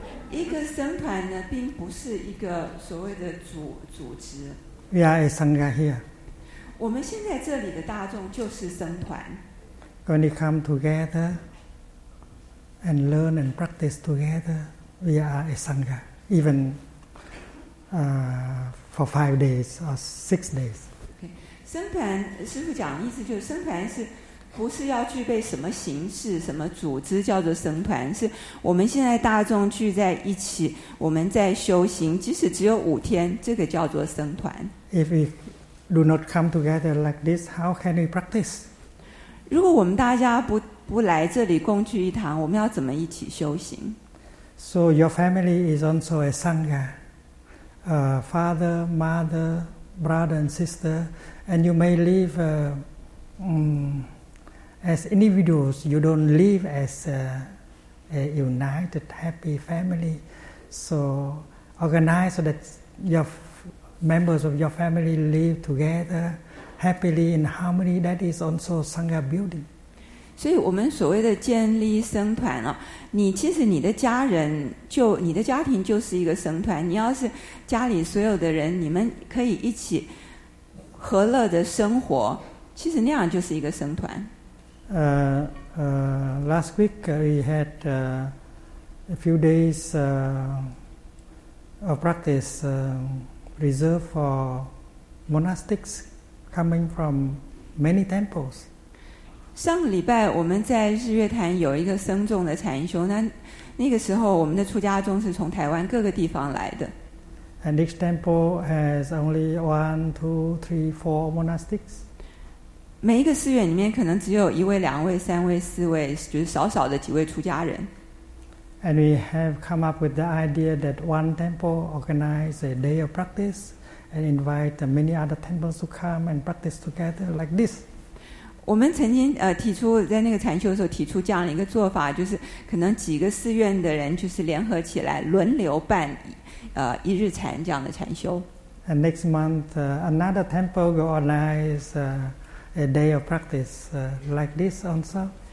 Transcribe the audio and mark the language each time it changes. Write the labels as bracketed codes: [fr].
[zh] 一个僧团呢，并不是一个所谓的组织。 [en] We are a Sangha here. [zh] 我们现在这里的大众就是僧团。 [en] When we come together and learn and practice together, we are a Sangha. Even for 5 days or 6 days. Okay. [zh] 僧团，师父讲的意思就是僧团是。不是要具备什么形式、什么组织叫做僧团，是我们现在大众聚在一起，我们在修行，即使只有5天，这个叫做僧团。 [en] If we do not come together like this, how can we practice? [zh] 如果我们大家不来这里共聚一堂，我们要怎么一起修行 [en] ？So your family is also a sangha, father, mother, brother and sister, and you may live. As individuals, you don't live as a united, happy family. So organize so that your members of your family live together happily in harmony. That is also Sangha building. [zh] 所以我们所谓的建立僧团啊，你其实你的家人就你的家庭就是一个僧团。你要是家里所有的人，你们可以一起和乐的生活，其实那样就是一个僧团。 [en] Last week we had a few days of practice reserved for monastics coming from many temples. [zh] 上礼拜我们在日月潭有一个僧众的禅修，那个时候我们的出家众是从台湾各个地方来的。 [en] And each temple has only 1, 2, 3, 4 monastics. [zh] 每一个寺院里面可能只有一位、两位、三位、四位，就是少少的几位出家人。 [en] And we have come up with the idea that one temple organize a day of practice and invite many other temples to come and practice together like this. [zh] 我们曾经提出在那个禅修的时候提出这样的一个做法，就是可能几个寺院的人就是联合起来轮流办一日禅这样的禅修。 [en] And next month another temple will organize. A day of practice like this also.